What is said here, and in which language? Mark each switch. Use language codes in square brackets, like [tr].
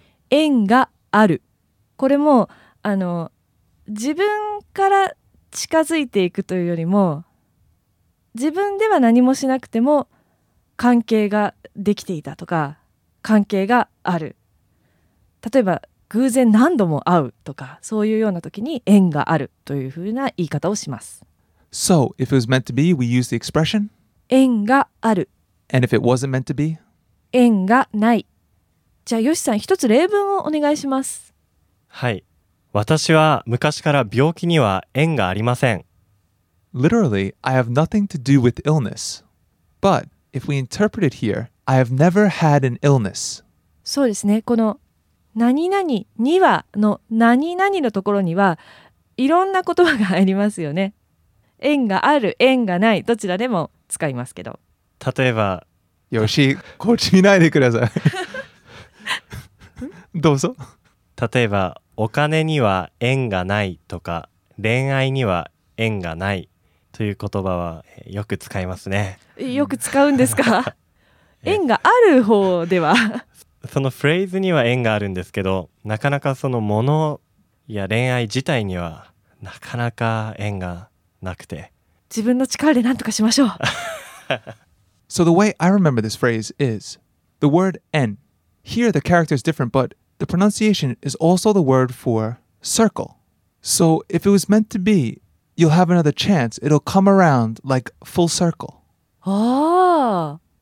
[ja] 縁がある、これも自分から近づいていくというよりも自分では何もしなくても関係ができていたとか関係がある、例えば偶然何度も会うとかそういうような時に縁があるというふうな言い方をします。 [en] So, if it was meant to be, we use the expression? [ja] 縁がある。 [en] And if it wasn't meant to be? [ja] 縁がない。じゃあ、ヨシさん、一つ例文をお願いします。はい。私は昔から病気には縁がありません。 [en] Literally, I have nothing to do with illness. But, if we interpret it here, I have never had an illness. [ja] そうですね。この何々にはの何々のところにはいろんな言葉が入りますよね。縁がある、縁がない、どちらでも使いますけど。例えば、よし、こっち見ないでください。どうぞ。例えば、お金には縁がないとか、恋愛には縁がないという言葉はよく使いますね。よく使うんですか？縁がある方では。そのフレーズには縁があるんですけど、なかなかその物や恋愛自体にはなかなか縁がなくて、自分の力で何とかしましょう。 [en] So the way I remember this phrase is the word N. Here the character is different, but the pronunciation is also the word for circle. So if it was meant to be, you'll have another chance. It'll come around like full circle. Oh.